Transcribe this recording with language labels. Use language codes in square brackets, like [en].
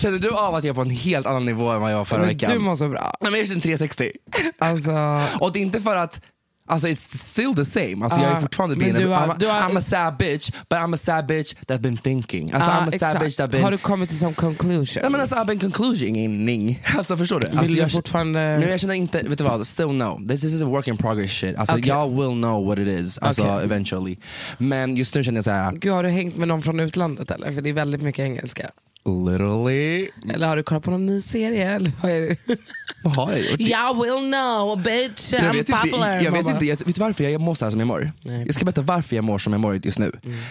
[sv] Känner du av att jag är på en helt annan nivå än vad jag var förra veckan? Du mår så bra. Nej, men jag är 360 alltså. Och det är inte för att, alltså, [en] it's still the same. [sv] Alltså, jag är fortfarande [en] being I'm a sad bitch, but I'm a sad bitch that been thinking. [sv] Alltså, [en] I'm a sad bitch that been. [sv] Har du kommit till [en] some conclusion? [sv] Nej, men alltså, [en] I've been concluding. [sv] Alltså, förstår du? Vill alltså, du fortfarande. Nej, jag känner inte, vet du vad, [en] still no. This is a work in progress shit. [sv] Alltså, [en] okay. Y'all will know what it is. [sv] Alltså, [en] okay. Eventually. [sv] Men just nu känner jag så här. Gud, har du hängt med någon från utlandet eller? För det är väldigt mycket engelska. [en] Literally. [sv] Eller har du kollat på någon ny serie? Eller vad har jag gjort? [en] Y'all will know, bitch. I'm popular. [sv] Jag vet inte, jag vet varför jag mår så här som jag mår. Nej. Jag ska berätta varför jag mår som jag mår just nu. Mm.